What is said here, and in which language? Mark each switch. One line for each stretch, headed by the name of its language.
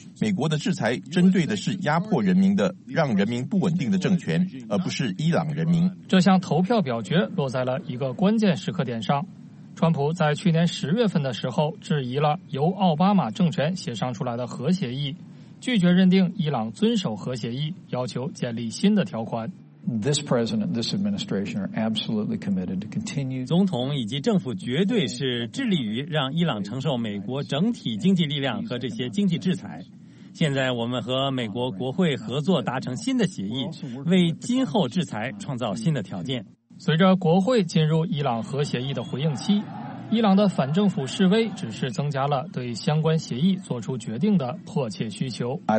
Chinese: 美国的制裁针对的是压迫人民的、让人民不稳定的政权，而不是伊朗人民。这项投票表决落在了一个关键时刻点上。川普在去年十月份的时候质疑了由奥巴马政权协商出来的核协议，拒绝认定伊朗遵守核协议，要求建立新的条款。
English: This president, this administration are absolutely committed to continue.
Chinese: 总统以及政府绝对是致力于让伊朗承受美国整体经济力量和这些经济制裁。现在我们和美国国会合作达成新的协议，为今后制裁创造新的条件。随着国会进入伊朗核协议的回应期，伊朗的反政府示威只是增加了对相关协议做出决定的迫切需求。